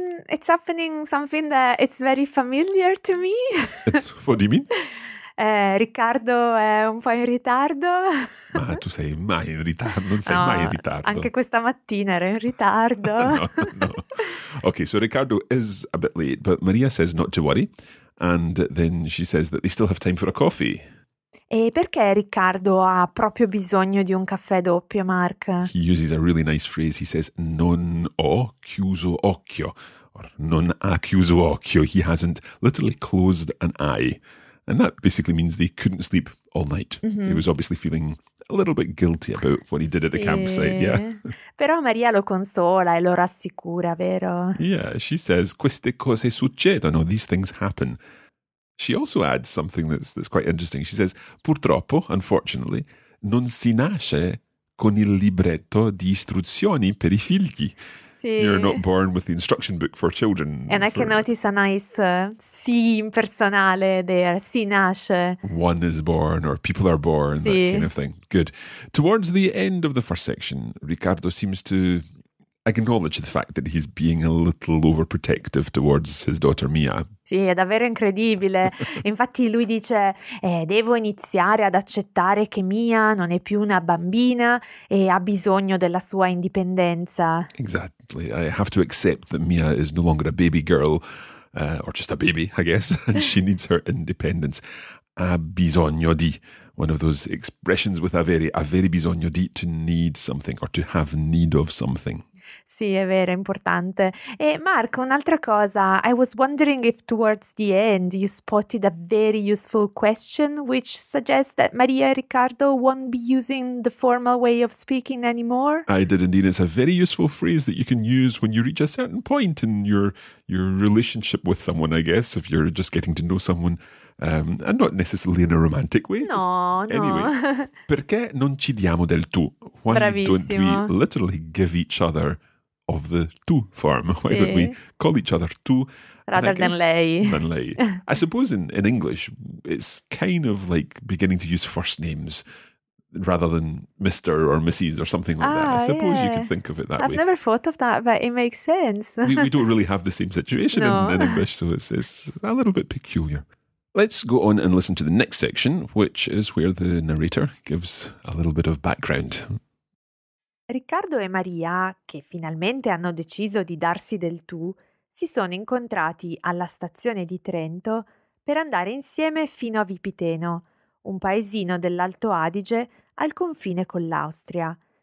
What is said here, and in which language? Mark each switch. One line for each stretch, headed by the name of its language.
English: It's happening something that it's very familiar to me. What do you mean?
Italian: Riccardo è un po' in ritardo. Ma tu sei mai in ritardo, non sei no, mai in ritardo. Anche questa mattina ero in ritardo. No.
English: Okay, so Riccardo is a bit late, but Maria says not to worry, and then she says that they still have time for a coffee.
Italian: E perché Riccardo ha proprio bisogno di un caffè doppio, Mark?
English: He uses a really nice phrase, he says
Italian: non ho chiuso occhio,
English: or
Italian: non ha chiuso occhio,
English: he hasn't literally closed an eye. And that basically means they couldn't sleep all night. Mm-hmm. He was obviously feeling a little bit guilty about what he did at the campsite, yeah.
Italian: Però Maria lo consola e lo rassicura, vero?
English: Yeah, she says,
Italian: queste cose succedono,
English: these things happen. She also adds something that's quite interesting. She says, purtroppo, unfortunately,
Italian: non si nasce con il libretto di istruzioni per i figli. Sì.
English: You're not born with the instruction book for children. And I can notice a nice sì impersonale there,
Italian: si nasce.
English: One is born or people are born, sì, that kind of thing. Good. Towards the end of the first section, Riccardo seems to acknowledge the fact that he's being a little overprotective towards his daughter Mia.
Italian: Sì, è davvero incredibile. Infatti lui dice, devo iniziare ad accettare che Mia non è più una bambina e ha bisogno della sua indipendenza.
English: Exactly. I have to accept that Mia is no longer a baby girl, or just a baby, I guess. And she needs her independence.
Italian: Ha bisogno di.
English: One of those expressions with
Italian: avere bisogno di,
English: to need something or to have need of something.
Italian: Sì, è vero, è importante. E Mark, un'altra cosa.
English: I was wondering if towards the end you spotted a very useful question which suggests that Maria e Riccardo won't be using the formal way of speaking anymore. I did indeed. It's a very useful phrase that you can use when you reach a certain point in your relationship with someone, I guess, if you're just getting to know someone. And not necessarily in a romantic way. No, just, no.
Italian: Anyway, perché non ci diamo del tu?
English: Why
Italian: Bravissimo.
English: Don't we literally give each other of the tu form? Why
Italian: sì.
English: don't we call each other tu? Rather than lei. Than lei. I suppose in English, it's kind of like beginning to use first names rather than Mr. or Mrs. or something like that. I suppose yeah. you could think of it that I've way. I've never thought of that, but it makes sense. We don't really have the same situation no. in English, so it's a little bit peculiar. Let's go on and listen to the next section, which is where the narrator gives a little bit of background.
Italian: Riccardo e Maria, che finalmente hanno deciso di darsi del tu, si sono incontrati alla stazione di Trento per andare insieme fino a Vipiteno, un paesino dell'Alto Adige al confine con l'Austria.